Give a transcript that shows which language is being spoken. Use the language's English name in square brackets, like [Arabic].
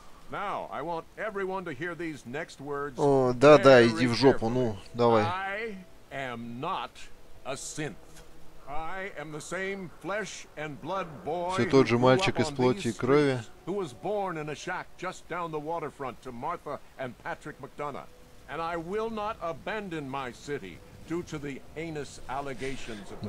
[English] Now, I want everyone to hear these next words. [Russian] О, да-да, иди в жопу, ну, давай. [English] I am not a synth. I am the same flesh and blood boy. [Russian] Все тот же мальчик из плоти и крови. [English] Who was born in a shack just down the waterfront to Martha and Patrick McDonough. And I will not abandon my city due to the heinous allegations of the